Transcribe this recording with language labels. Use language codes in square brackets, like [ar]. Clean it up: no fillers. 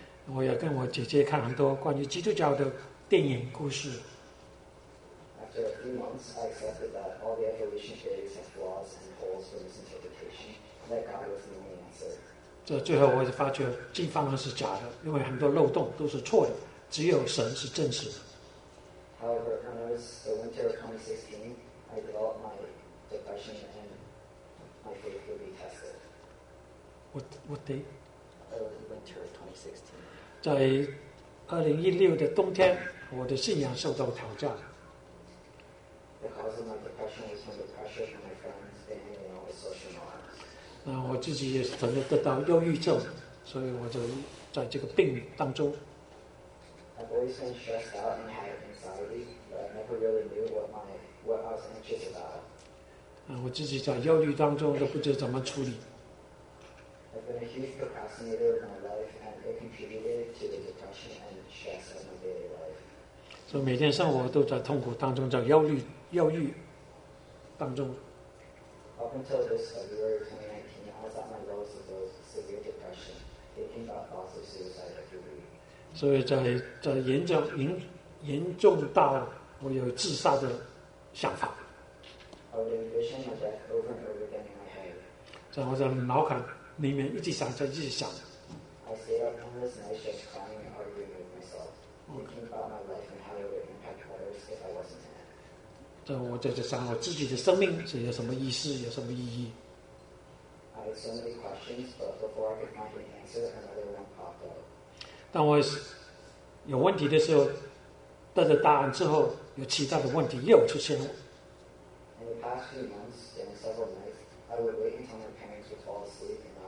[zh] 我也跟我姐姐看很多关于基督教的电影故事。这最后我就发觉这方面是假的，因为很多漏洞都是错的，只有神是真实的。 [en] However, when it was the winter of 2016, I developed my depression and hopefully it will be tested. What day? Winter of 2016. [zh] 在2016的冬天，我的信仰受到挑战。 [en] The cause of my depression was from the pressure from my friends and hanging out with social norms. [zh] 那我自己也可能得到忧郁症，所以我就在这个病当中。 [en] I've always been stressed out and had anxiety, but I never really knew what I was anxious about. [zh] 我自己在忧郁当中都不知道怎么处理。 [en] I've been a huge procrastinator of my life, and it contributed to the depression and stress of my daily life. [zh] 所以每天生活都在痛苦当中，在忧郁当中。 [en] Up until this February 2019, I was at my lowest of those severe depression, thinking about thoughts of suicide every week. [zh] 所以在严重到我有自杀的想法。 [en] I would envision my death over and over again in my head. [zh] 在我的脑海。里面一直想，在一直想。 [en] I stayed up numerous nights just crying and arguing with myself, thinking about my life and how it would impact others if I wasn't in it. [zh] 我就在想，我自己的生命是有什么意思，有什么意义。 [en] I had so many questions, but before I could find an answer, another one popped up. [zh] 当我有问题的时候，得到答案之后，有其他的问题又出现了。 [en] In the past few months, during several nights, I would wait until my parents would fall asleep.